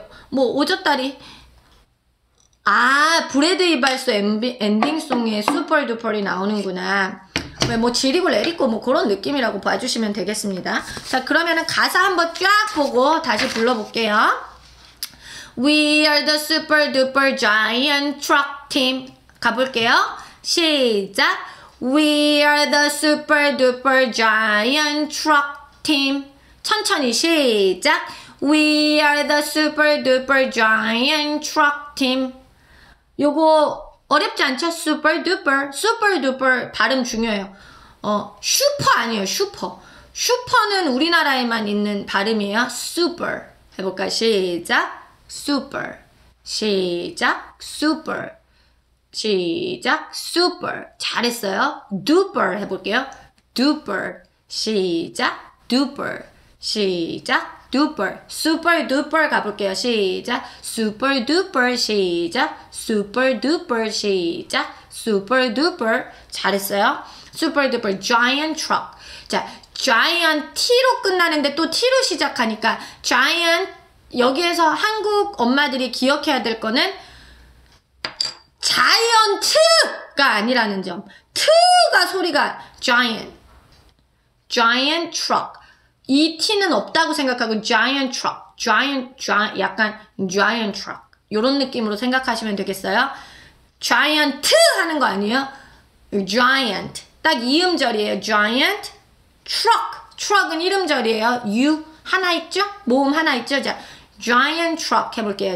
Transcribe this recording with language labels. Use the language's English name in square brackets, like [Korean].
[Korean] 뭐 오젓다리 아 브래드 이발소 엔딩송에 슈퍼듀퍼리 나오는구나. 왜 뭐 지리고 레리고 뭐 그런 느낌이라고 봐주시면 되겠습니다. 자 그러면은 가사 한번 쫙 보고 다시 불러볼게요. [English] We are the super duper giant truck team. [Korean] 가볼게요. 시작. [English] We are the super duper giant truck team. [Korean] 천천히 시작. [English] We are the super duper giant truck team. [Korean] 요거 어렵지 않죠? [English] Super duper. Super duper [Korean] 발음 중요해요. 슈퍼 아니에요. 슈퍼. 슈퍼는 우리나라에만 있는 발음이에요. Super. 해볼까? 시작. Super. 시작. Super. 시작. Super. 잘했어요. [English] Duper 해볼게요. Duper. 시작. Duper. 시작. Duper. Super duper [Korean] 가볼게요. [English] 시작. Super duper. 시작. Super duper. 시작. Super duper. [Korean] 잘했어요. [English] Super duper. Giant truck. [Korean] 자, giant T로 끝나는데 또 T로 시작하니까 giant. 여기에서 한국 엄마들이 기억해야 될 거는 자이언트가 아니라는 점. [English] 트가 소리가 giant. Giant truck. [Korean] 이 T는 없다고 생각하고 giant truck. [English] Giant, giant, 약간 giant truck. [Korean] 이런 느낌으로 생각하시면 되겠어요. Giant 하는 거 아니에요? [English] Giant. [Korean] 딱 이음절이에요. [English] Giant truck. [Korean] Truck은 이름절이에요. U 하나 있죠? 모음 하나 있죠? 자, [English] giant truck [Korean] 해볼게요.